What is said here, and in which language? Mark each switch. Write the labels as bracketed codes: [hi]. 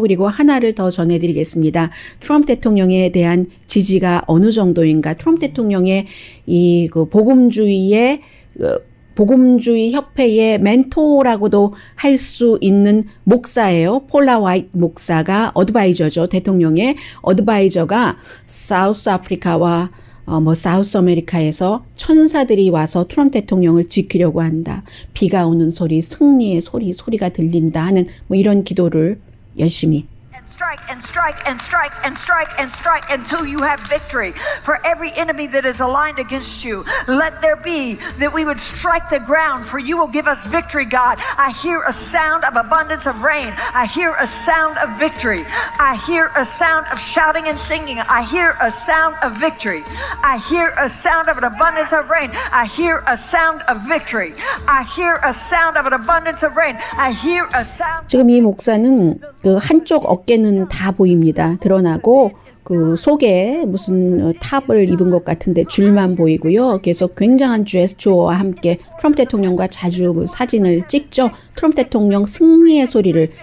[ko] 그리고 하나를 더 전해드리겠습니다. 트럼프 대통령에 대한 지지가 어느 정도인가 트럼프 대통령의 이 그 복음주의의 그 복음주의 협회의 멘토라고도 할 수 있는 목사예요. 폴라 화이트 목사가 어드바이저죠. 대통령의 어드바이저가 사우스 아프리카와 뭐 사우스 아메리카에서 천사들이 와서 트럼프 대통령을 지키려고 한다. 비가 오는 소리, 승리의 소리, 소리가 들린다 하는 뭐 이런 기도를 열심히 [en] strike and strike and strike and strike and strike until you have victory for every enemy that is aligned against you. Let there be that we would strike the ground for you will give us victory, God. I hear a sound of abundance of rain. I hear a sound of victory. I hear a sound of shouting and singing. I hear a sound of victory. I hear a sound of an abundance of rain. I hear a sound of victory. I hear a sound of an abundance of rain. I hear a sound. [ko] 지금 이 목사는 그 한쪽 어깨는 다 보입니다. 드러나고 그 속에 무슨 탑을 입은 것 같은데 줄만 보이고요. 계속 굉장한 제스처와 함께 트럼프 대통령과 자주 사진을 찍죠. 트럼프 대통령 승리의 소리를